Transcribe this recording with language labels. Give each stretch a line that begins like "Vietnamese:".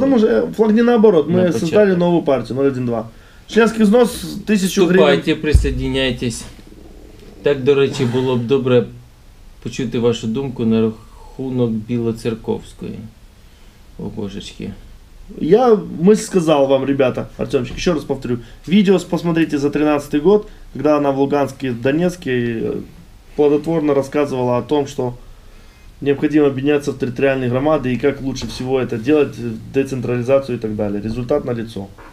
Russian: Потому что флаг не наоборот. Мы на создали новую партию 0.1.2. Членский взнос 1000 гривен. Вступайте, присоединяйтесь.
Ukrainian: Так, до речі, було б добре почути вашу думку на рахунок Білоцерковської. О, божечки.
Russian: Я, мы сказал вам, ребята, Артемчик, еще раз повторю, видео посмотрите за 2013 год, когда она в Луганске, Донецке плодотворно рассказывала о том, что необходимо объединяться в территориальные громады и как лучше всего это делать, децентрализацию и так далее. Результат налицо.